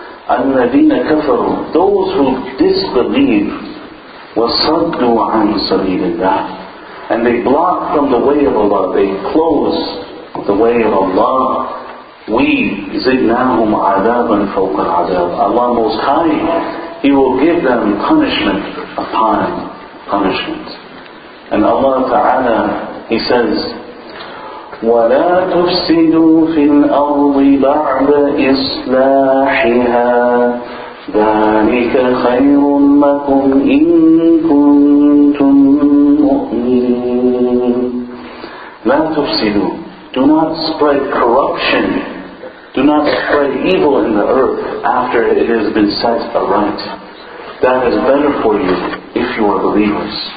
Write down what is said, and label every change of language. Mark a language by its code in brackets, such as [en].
[ar] الَّذِينَ كَفَرُوا, [en] those who disbelieve, [ar] وَصَدُّوا عَن سَبِيلِ اللَّهِ, [en] and they block from the way of Allah, they close the way of Allah, we [ar] زِدْنَاهُمْ عَذَابًا فَوْقَ الْعَذَابِ. [en] Allah Most High, He will give them punishment upon punishment. And Allah Ta'ala, He says, [ar] وَلَا تُفْسِدُوا فِي الْأَرْضِ بَعْدَ إِصْلَاحِهَا ذَلِكَ خَيْرٌ لَكُمْ إِن كُنْتُمْ مُؤْمِنِينَ. لَا تُفْسِدُوا, [en] do not spread corruption, do not spread evil in the earth after it has been set aright. That is better for you if you are believers.